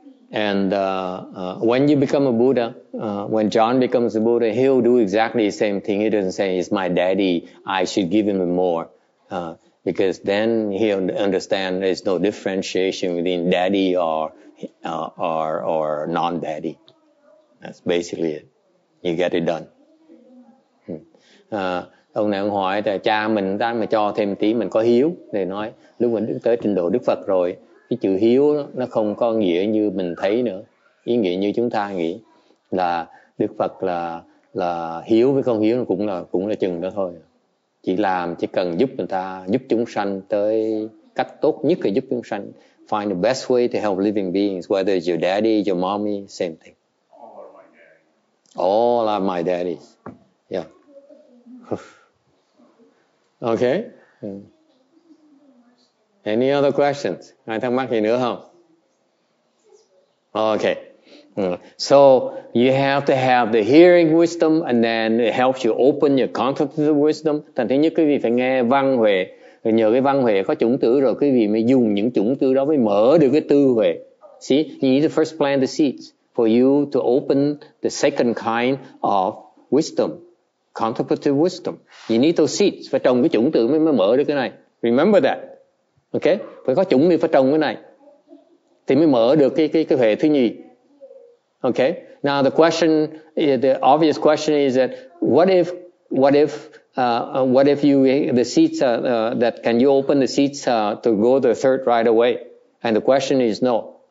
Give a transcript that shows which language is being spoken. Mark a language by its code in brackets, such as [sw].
[en] And when you become a Buddha, when John becomes a Buddha, he'll do exactly the same thing. He doesn't say, it's my daddy, I should give him more. Because then he'll understand there's no differentiation between daddy or non-daddy. That's basically it. You get it done. [vi] Ông này ông hỏi, là cha mình ta mà cho thêm tí, mình có hiếu. Để nói, lúc mình tới trình độ Đức Phật rồi, cái chữ hiếu nó không có nghĩa như mình thấy nữa, ý nghĩa như chúng ta nghĩ là Đức Phật là hiếu với không hiếu cũng là chừng đó thôi, chỉ cần giúp người ta, giúp chúng sanh tới cách tốt nhất để giúp chúng sanh, [en] find the best way to help living beings, whether it's your daddy, your mommy, same thing. All are my daddies. Yeah. Okay. Any other questions? [vi] Ai thắc mắc gì nữa không? Okay. [en] So you have to have the hearing wisdom, and then it helps you open your contemplative wisdom. [vi] Thành thứ nhất, quý vị phải nghe văn huệ. Nhờ cái văn huệ có chủng tử rồi, quý vị mới dùng những chủng tử đó mới mở được cái tư huệ. [en] See, you need to first plant the seeds for you to open the second kind of wisdom, contemplative wisdom. You need those seeds. [vi] Phải trồng cái chủng tử mới mở được cái này. [en] Remember that. [vi] Ok, phải có chủng mới phải trồng cái này thì mới mở được cái huệ thứ nhì. [en] Ok, now the question, the obvious question is that what if you, the seats that can you open the seats to go to the third right away, and the question is no.